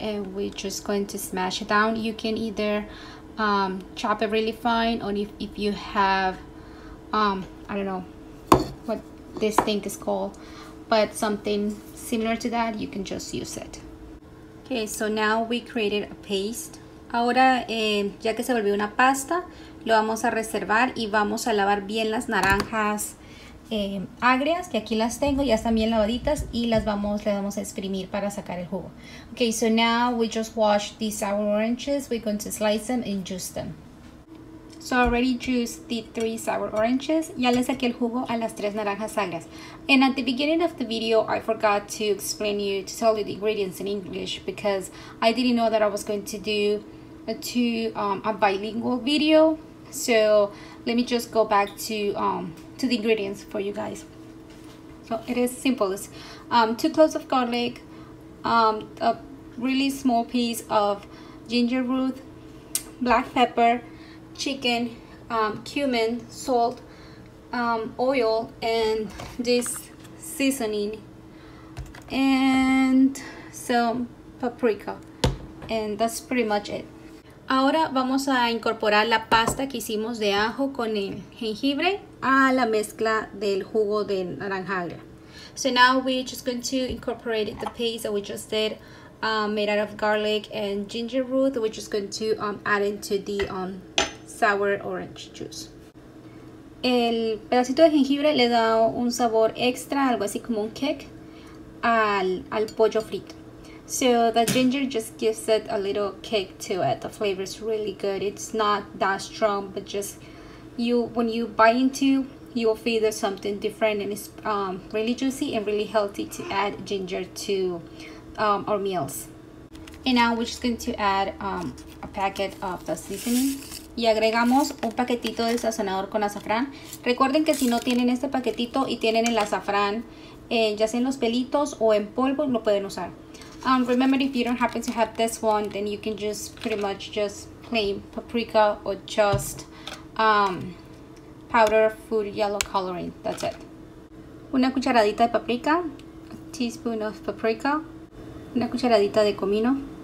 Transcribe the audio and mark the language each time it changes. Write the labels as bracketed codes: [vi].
[en] And we're just going to smash it down. You can either chop it really fine, or if you have I don't know what this thing is called, but something similar to that, you can just use it. Okay, so now we created a paste. [es] Ahora ya que se volvió una pasta, lo vamos a reservar y vamos a lavar bien las naranjas agrias, que aquí las tengo, ya están bien lavaditas, y las vamos a exprimir para sacar el jugo. [en] Okay, so now we just wash these sour oranges. We're going to slice them and juice them. So I already juiced the three sour oranges. [es] Ya les saqué el jugo a las tres naranjas agrias. [en] And at the beginning of the video, I forgot to explain you, to tell you the ingredients in English, because I didn't know that I was going to do a bilingual video. So let me just go back to the ingredients for you guys. So it is simple. It's two cloves of garlic, a really small piece of ginger root, black pepper, chicken, cumin, salt, oil, and this seasoning, and some paprika, and that's pretty much it. [es] Ahora vamos a incorporar la pasta que hicimos de ajo con el jengibre a la mezcla del jugo de naranja agria. [en] So now we're just going to incorporate the paste that we just did, made out of garlic and ginger root. We're just going to add into the sour orange juice. [es] El pedacito de jengibre le da un sabor extra, algo así como un kick, al pollo frito. [en] So the ginger just gives it a little kick to it. The flavor is really good. It's not that strong, but just you, when you bite into, you'll feel there's something different, and it's really juicy and really healthy to add ginger to our meals. And now we're just going to add a packet of the seasoning. [es] Y agregamos un paquetito de sazonador con azafrán. Recuerden que si no tienen este paquetito y tienen el azafrán, ya sea en los pelitos o en polvo, lo pueden usar. [en] Remember, if you don't happen to have this one, then you can just pretty much just plain paprika or just powder food yellow coloring. That's it. [es] Una cucharadita de paprika, [en] a teaspoon of paprika. [es] Una cucharadita de comino,